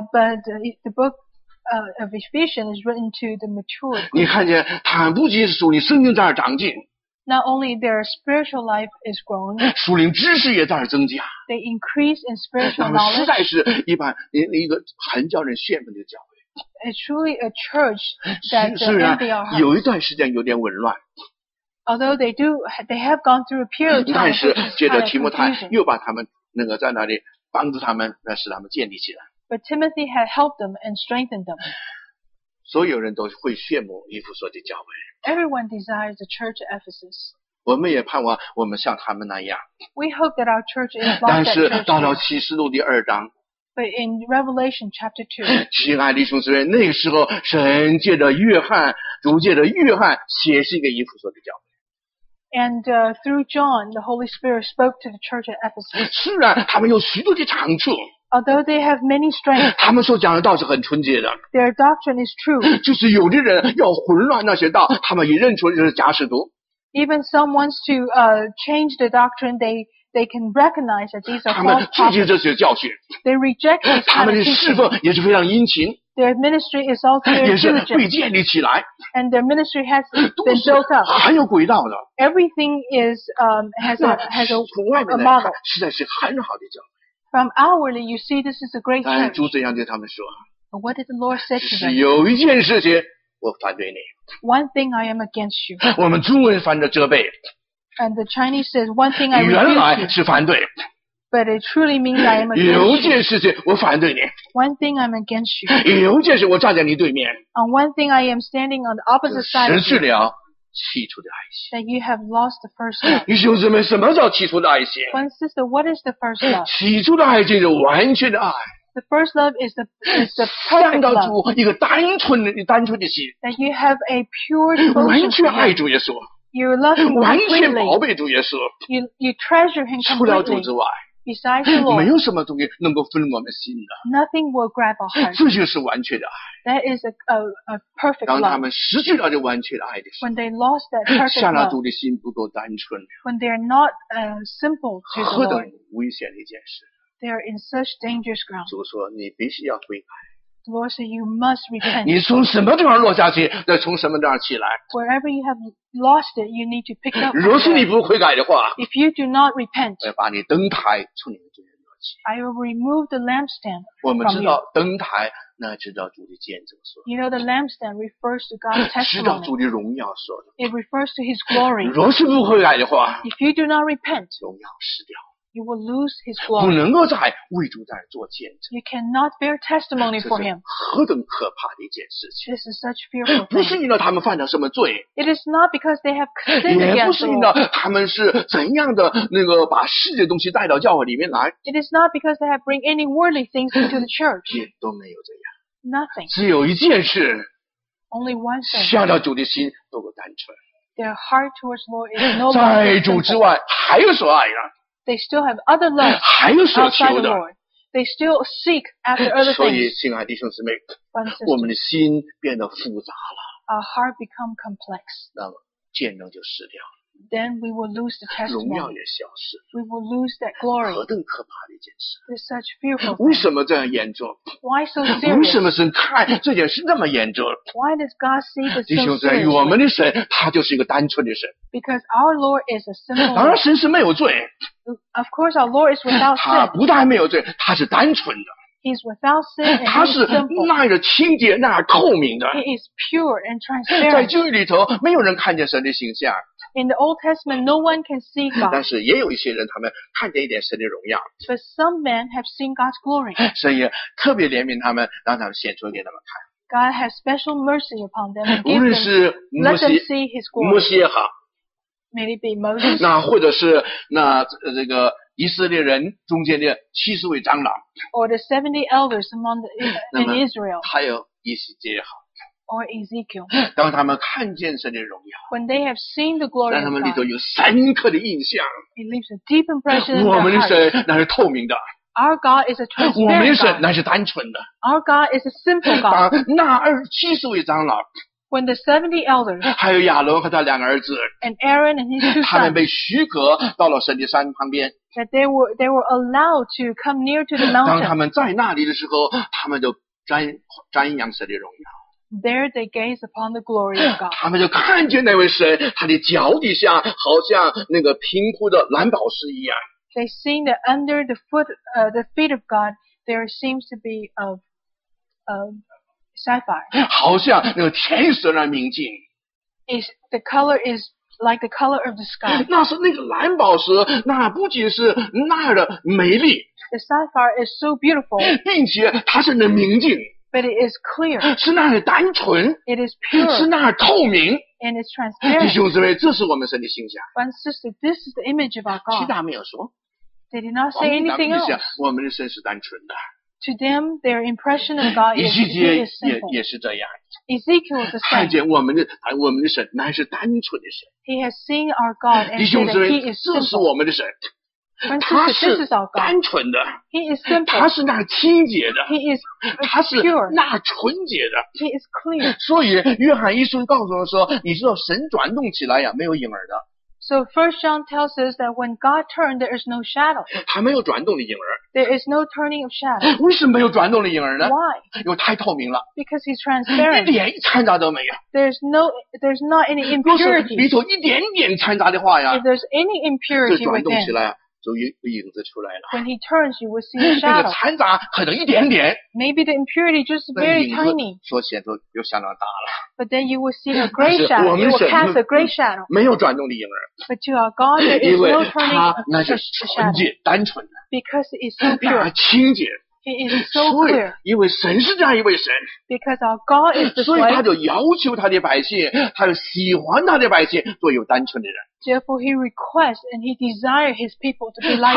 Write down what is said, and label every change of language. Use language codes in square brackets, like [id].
[en] But the book. Of Ephesians is written to the mature. [zh] 你看见他不仅是说你圣经在那儿长进。 [en] Not only their spiritual life is grown, [zh] 属灵知识也在那增加。 [en] They increase in spiritual knowledge. [zh] 那实在是一般一个很叫人羡慕的教会。 [en] It's truly a church that envy our hearts. [zh] 虽然有一段时间有点紊乱。 [en] Although they have gone through a period of time. [zh] 但是接着提摩太又把他们那个在那里帮助他们，来使他们建立起来。 [en] But Timothy had helped them and strengthened them. [zh] 所有人都会羡慕以弗所的教会。 [en] Everyone desires the church at Ephesus. [zh] 我们也盼望我们像他们那样。 [en] We hope that our church is like that. [zh] 但是到了启示录第二章。 [en] But in Revelation chapter 2. [zh] 亲爱的弟兄姊妹，那个时候神借着约翰，主借着约翰写信给以弗所的教会。 [en] And through John, the Holy Spirit spoke to the church at Ephesus. [zh] 虽然他们有许多的长处。 [en] Although they have many strengths, [zh] 他们所讲的道是很纯洁的。 [en] Their doctrine is true. [zh] 就是有的人要混乱那些道，他们也认出就是假使徒。 [en] Even some wants to change the doctrine, they can recognize that these are false prophets. [zh] 他们拒绝这些教训。 [en] They reject these. [zh] 他们的侍奉也是非常殷勤。 [en] Their ministry is also diligent. [zh] 也是被建立起来。 [en] And their ministry has been built up. [zh] 很有轨道的。 [en] Everything is has a model. [zh] 实在是很好的教。 [en] From outwardly, you see this is a great church. [zh] 主怎样对他们说？ [en] But what did the Lord say to them? [zh] 只是有一件事情，我反对你。 [en] One thing I am against you. [zh] 我们中文反着责备。 [en] And the Chinese says one thing I refuse. [zh] 原来是反对。 [en] But it truly means I am against you. [zh] 有一件事情我反对你。 [en] One thing I'm against you. [zh] 有一件事我站在你对面。 [en] On one thing I am standing on the opposite side. [zh] 失去了起初的爱心。 [en] That you have lost the first love. [zh] 弟兄姊妹，什么叫起初的爱心？ [en] One sister, what is the first love? [zh] 起初的爱心是完全的爱。 [en] The first love is the perfect love. [zh] 向到主一个单纯的心。 [en] That you have a pure devotion. [zh] 完全爱主耶稣。 [en] You love him completely. [zh] 完全宝贝主耶稣。 [en] You treasure him completely. [zh] 除了主之外。 [en] Besides the Lord. [zh] 没有什么东西能够分我们心的。 [en] Nothing will grab our heart. [zh] 这就是完全的爱。 [en] That is a perfect love. [zh] 当他们失去了这完全的爱的时候。 [en] When they lost that perfect love. [zh] 向那主的心不够单纯。 [en] When they are not simple to the Lord. [zh] 何等危险的一件事。 [en] They are in such dangerous ground. [zh] 主说你必须要悔改。 [en] The Lord said you must repent. [zh] 你从什么地方落下去，再从什么地方起来。 [en] Wherever you have lost it, you need to pick up. [zh] 若是你不悔改的话。 [en] If you do not repent. [zh] 我要把你灯台从你的中间挪去。 [en] I will remove the lampstand from you. [zh] 我们知道灯台。那知道主的见证说。 [en] You know the lampstand refers to God's testimony. [zh] 知道主的荣耀说的。 [en] It refers to His glory. [zh] 若是不悔改的话。 [en] If you do not repent. [zh] 荣耀失掉。 [en] You will lose His glory. [zh] 不能够再为主在做见证。 [en] You cannot bear testimony for Him. [zh] 何等可怕的一件事情。 [en] This is such fearful thing. [zh] 不是因为他们犯了什么罪。 [en] It is not because they have sinned against the Lord. [zh] 也不是因为他们是怎样的那个把世界东西带到教会里面来。 [en] It is not because they have bring any worldly things into the church. [zh] 也都没有这样。 [en] Nothing. [zh] 只有一件事。 [en] Only one thing. [zh] 向着主的心都够单纯。 [en] Their heart towards Lord is no [zh] longer. 在主之外还有所爱呢。 [en] They still have other love. [zh] 还有所求的。 [en] They still seek after other things. [zh] 所以，亲爱弟兄姊妹，我们的心变得复杂了。 [en] Our heart become complex. [zh] 那么见证就失掉了。 [en] Then we will lose the testimony. [zh] 荣耀也消失。 [en] We will lose that glory. [zh] 何等可怕的一件事。 [en] It's such fearful. [zh] 为什么这样严重？ [en] Why so serious? [zh] 为什么神看这件事那么严重？ [en] Why does God see this so serious? [zh] 弟兄姊妹，我们的神他就是一个单纯的神。 [en] Because our Lord is a simple. [zh] 当然，神是没有罪。 [en] Of course, our Lord is without sin. [zh] 他不但没有罪，他是单纯的。 [en] He's without sin. [zh] 他是那样的清洁，那样透明的。 [en] He is pure and transparent. [zh] 在旧约里头，没有人看见神的形象。 [en] In the Old Testament, no one can see God. [zh] 但是也有一些人，他们看见一点神的荣耀。 [en] But some men have seen God's glory. [zh] 神也特别怜悯他们，让他们显出给他们看。 [en] God has special mercy upon them. [zh] 无论是摩西， [en] let them see His glory. [zh] 摩西也好。 [en] May it be Moses. [zh] 那或者是那这个以色列人中间的七十位长老。 [en] Or the 70 elders among the in Israel. [zh] 还有以西结也好。 [en] Or Ezekiel. [zh] 当他们看见神的荣耀， [en] When they have seen the glory of God, [zh] 让他们里头有深刻的印象。 [en] It leaves a deep impression. [zh] 我们的神那是透明的。 [en] Our God is a transparent God. [zh] 我们的神那是单纯的。 [en] Our God is a simple God. [zh] 当那二七十位长老， [en] When the 70 elders, [zh] 还有亚伦和他两个儿子， [en] and Aaron and his two sons, [zh] 他们被许可到了神的山旁边。 [en] That they were allowed to come near to the mountain. [zh] 当他们在那里的时候，他们就瞻仰神的荣耀。 [en] There they gaze upon the glory of God. [zh] 他们就看见那位神，他的脚底下好像那个平铺的蓝宝石一样。 [en] They see that under the foot, the feet of God, there seems to be of sapphire. [zh] 好像那个天色的明镜。 [en] Is the color is like the color of the sky? [zh] 那是那个蓝宝石，那不仅是那儿的美丽。 [en] The sapphire is so beautiful. [zh] 并且它是那明镜。 [en] But it is clear. [zh] 是那儿单纯。 [en] It is pure. [zh] 是那儿透明。 [en] And it's transparent. [zh] 弟兄姊妹，这是我们神的形象。 [en] But sister, this is the image of our God. [zh] 其他没有说。 [en] They did not say anything else. [zh] 我们的神是单纯的。 [en] To them, their impression of God is simple. [zh] 以西结也是这样。 [en] Ezekiel is the same. [zh] 看见我们的神乃是单纯的神。 [en] He has seen our God and said that He is simple. [zh] 这是我们的神。他是单纯的 [en] He is simple. [zh] 他是那清洁的 [en] He is pure. [zh] 他是那纯洁的 [en] He is clean. [zh] 所以约翰一书告诉我们说你知道神转动起来呀没有影儿的 [en] So first John tells us that when God turned there is no shadow. [zh] 他没有转动的影儿 [en] There is no turning of shadow. [zh] 为什么没有转动的影儿呢 [en] Why? [zh] 因为太透明了 [en] Because he's transparent. [zh] 一点一掺杂都没有 [en] There's not any impurity. [zh] 里头一点点掺杂的话呀 [en] If there's any impurity within. [zh] 就转动起来就影子出来了。 [en] When he turns, you will see a shadow. [zh] 那个残渣可能一点点。 [en] Maybe the impurity just very tiny. [zh] 说起来都又相当大了。 [en] But then you will see a great shadow. You will cast a great shadow. [zh] 没有转动的影儿。 [en] But to our God, there is no turning of the shadow. [zh] 因为他那是纯洁、单纯的。 [en] Because it's so pure. [zh] 清洁。 [en] He is so clear. [zh] 因为神是这样一位神。 [en] Because our God is this [zh] 所以他就要求他的百姓，他就喜欢他的百姓，做有单纯的人。 [en] Therefore, he requests and he desires his people to be like him.